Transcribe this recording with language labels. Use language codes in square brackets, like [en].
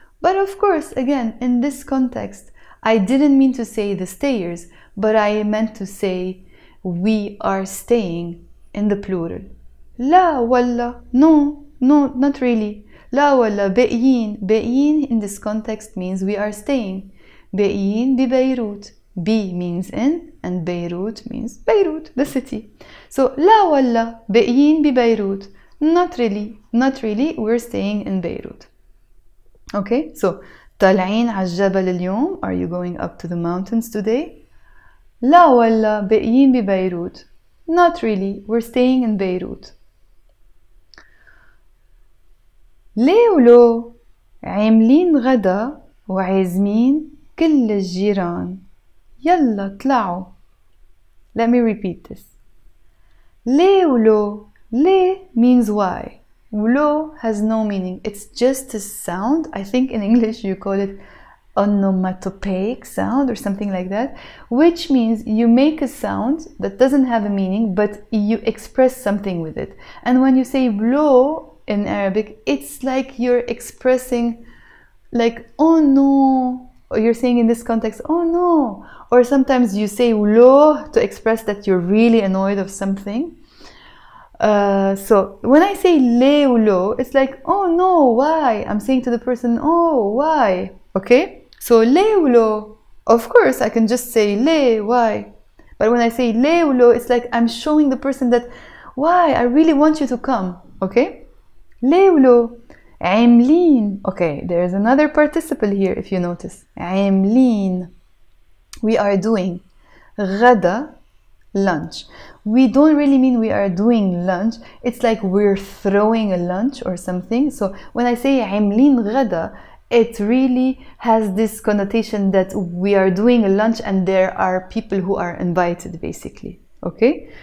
[en] But of course, again, in this context, I didn't mean to say the stayers, but I meant to say we are staying in the plural. La walla, no, not really. [ar] La walla, be'in. [en] Be'in in this context means we are staying. [ar] باقيين ببيروت. [en] بي means in and Beirut means Beirut, the city. [ar] So لا ولا باقيين ببيروت. [en] Not really, not really, we're staying in Beirut. Okay, so [ar] طالعين على الجبل اليوم, [en] are you going up to the mountains today? [ar] لا ولا باقيين ببيروت. [en] Not really, we're staying in Beirut. [ar] ليه ولو عاملين غدا وعازمين كل الجيران؟ يلا طلعوا. [en] Let me repeat this. [ar] ليه ولو, ليه [en] means why. ولو has no meaning. It's just a sound. I think in English you call it onomatopoeic sound or something like that, which means you make a sound that doesn't have a meaning, but you express something with it. And when you say ولو in Arabic, it's like you're expressing like, oh no, or you're saying in this context, oh no. Or sometimes you say ولو to express that you're really annoyed of something. So when I say [ar] ليه ولو, [en] it's like, oh no, why? I'm saying to the person, oh, why? Okay, so [ar] ليه ولو, [en] of course I can just say ليه, why? But when I say [ar] ليه ولو, [en] it's like I'm showing the person that, why? I really want you to come. [ar] Okay, ليه ولو عاملين. [en] Okay, there is another participle here if you notice. عاملين, we are doing. غدا, lunch. We don't really mean we are doing lunch. It's like we're throwing a lunch or something. So when I say [ar] عاملين غدا, [en] it really has this connotation that we are doing a lunch and there are people who are invited, basically. Okay?